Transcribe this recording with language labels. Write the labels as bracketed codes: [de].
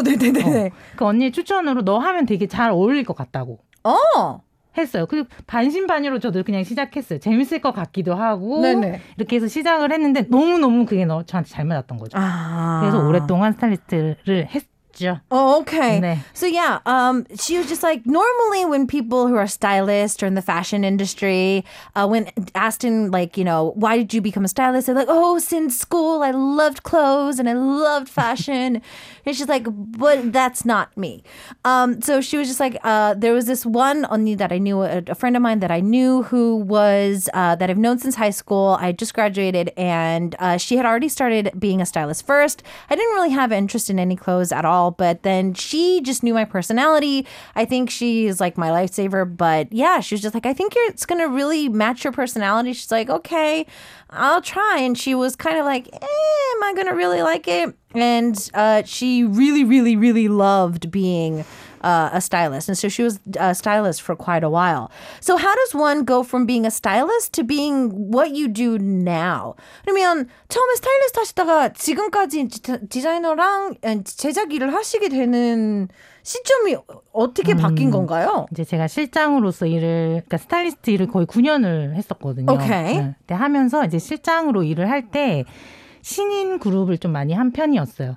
[ko] 네네네. 그 언니의 추천으로 너 하면 되게 잘 어울릴 것 같다고. 했어요. 그리고 반신반의로 저도 그냥 시작했어요. 재밌을 것 같기도 하고 네네. 이렇게 해서 시작을 했는데 너무 너무 그게 너 저한테 잘 맞았던 거죠. 아. 그래서 오랫동안 스타일리스트를 했. [en] Oh, okay. [ko] 네. [en] So yeah, she was just like, normally when people who are stylists or in the fashion industry, when asked in like, you know, why did you become a stylist? They're like, oh, since school, I loved clothes and I loved fashion. And she's like, but that's not me. So she was just like, there was this one only that I knew, a friend of mine that I knew who was, that I've known since high school. I just graduated and she had already started being a stylist first. I didn't really have interest in any clothes at all. But then she just knew my personality. I think she is like my lifesaver. But yeah, she was just like, I think it's going to really match your personality. She's like, okay, I'll try. And she was kind of like, am I going to really like it? And she really, really, really loved being a stylist. And so she was a stylist for quite a while. So how does one go from being a stylist to being what you do now? [ko] 그러면 처음에 스타일리스트 하시다가 지금까지 디자이너랑 제작 일을 하시게 되는 시점이 어떻게 바뀐 건가요? 이제 제가 실장으로서 일을, 그러니까 스타일리스트 일을 거의 9년을 했었거든요. 오케이. 네, 하면서 이제 실장으로 일을 할 때 신인 그룹을 좀 많이 한 편이었어요.